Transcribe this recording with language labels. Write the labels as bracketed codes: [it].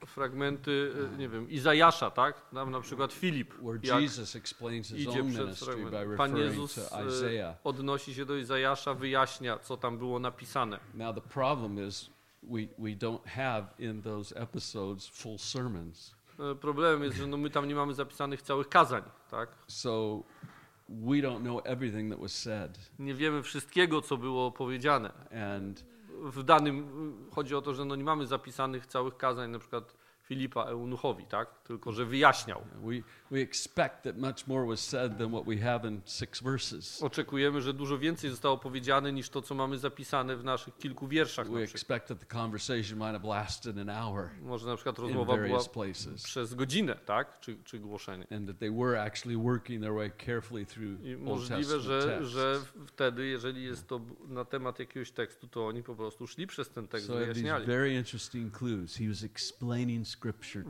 [pl] Fragmenty, nie wiem, Izajasza, tak? Tam na przykład Filip. [en] Where Jesus explains his own ministry by referring to Isaiah. [pl] Odnosi się do Izajasza, wyjaśnia, co tam było napisane. [en] Now the problem is we don't have in those episodes full sermons. [pl] Problem jest, że my tam nie mamy zapisanych całych kazań, tak? [en] So we don't know everything that was said. [pl] Nie wiemy wszystkiego, co było powiedziane. [en] And [pl] w danym, chodzi o to, że no nie mamy zapisanych całych kazań na przykład Filipa eunuchowi, tak? Tylko że wyjaśniał. [en] We expect that much more was said than what we have in six verses. [pl] Oczekujemy, że dużo więcej zostało powiedziane niż to, co mamy zapisane w naszych kilku wierszach. [en] We expect that the conversation might have lasted an hour. [pl] Może na przykład rozmowa była przez godzinę, tak? Czy głoszenie. [en] And that they were actually working their way carefully through Old Testament. [pl] Możliwe, że wtedy, jeżeli jest to na temat jakiegoś tekstu, to oni po prostu szli przez ten tekst, [en] so [pl] wyjaśniali. [en] These very interesting clues. He was explaining scripture to